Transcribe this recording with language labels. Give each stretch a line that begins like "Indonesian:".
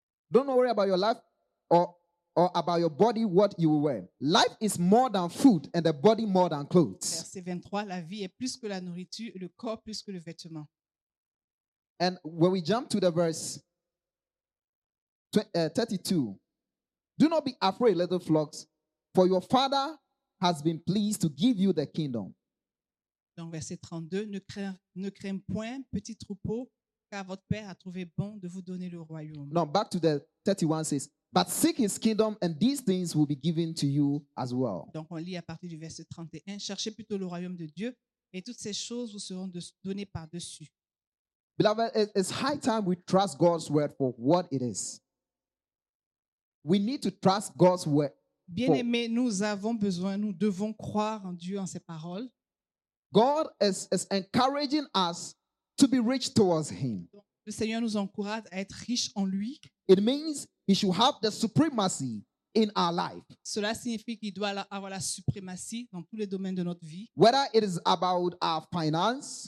English: Don't worry about your life or about your body, what you will wear. Life is more than food and the body more than clothes.
French: Verset 23, la vie est plus que la nourriture, le corps plus que le vêtement.
English: And when we jump to the verse 32, do not be afraid, little flocks, for your father has been pleased to give you the kingdom.
French: Donc verset 32, ne crains point, petit troupeau, car votre père a trouvé bon de vous donner le royaume.
English: Now back to the 31 says, but seek his kingdom and these things will be given to you as well.
French: Donc on lit à partir du verset 31, cherchez plutôt le royaume de Dieu et toutes ces choses vous seront données par-dessus.
English: Beloved, it's high time we trust God's word for what it is. We need to trust God's word.
French: Bien-aimés, nous avons besoin, nous devons croire en Dieu, en ses paroles.
English: God is encouraging us to be rich towards him.
French: Le Seigneur nous encourage à être riche en lui.
English: It means he should have the supremacy in our life.
French: Cela signifie qu'il doit avoir la suprématie dans tous les domaines de notre vie.
English: Whether it is about our finance,